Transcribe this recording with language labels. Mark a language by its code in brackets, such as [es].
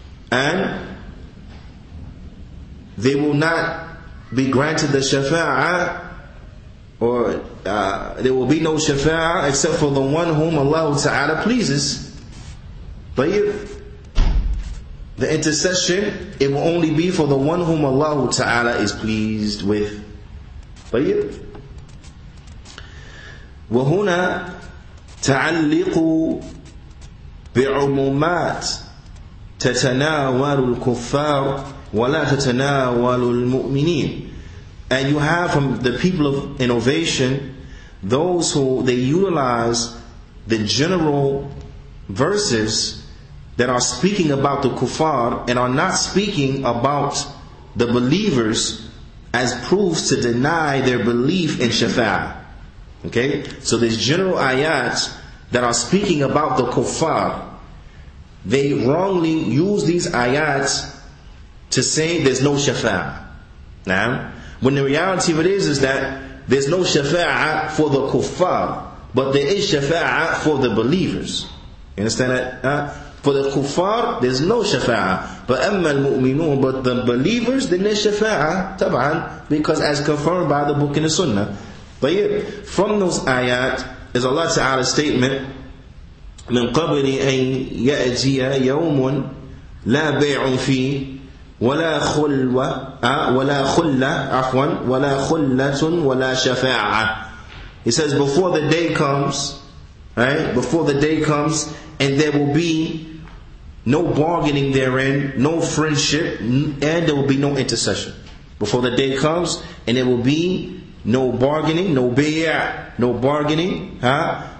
[en] And they will not be granted the shafa'ah, or there will be no shafa'ah except for the one whom Allah Ta'ala pleases. But if the intercession, it will only be for the one whom Allah Ta'ala is pleased with. [ar] طيب. وهنا تعلق بعمومات تتناول الكفار ولا تتناول المؤمنين. [en] And you have from the people of innovation, those who they utilize the general verses that are speaking about the kuffar and are not speaking about the believers as proofs to deny their belief in shafa'ah. Okay? So there's general ayats that are speaking about the kuffar they wrongly use these ayats to say there's no shafa'ah. Now, when the reality of it is that there's no shafa'ah for the kuffar, but there is shafa'ah for the believers. You understand that? For the kuffar, there's no shafa'ah. But [ar] amma al-mu'minun, [en] but the believers, then there's shafa'ah, taba'an, because as confirmed by the book in the sunnah. But yet, from those ayat, is Allah Ta'ala's statement, [ar] من قبل أن يأتي يوم لا بيع فيه ولا خلوة ولا خلة عفوا ولا خلة ولا شفاعة. [en] He says, before the day comes, right? Before the day comes, and there will be no bargaining therein, no friendship, and there will be no intercession. Before the day comes, and there will be no bargaining, no بيع, no bargaining, huh?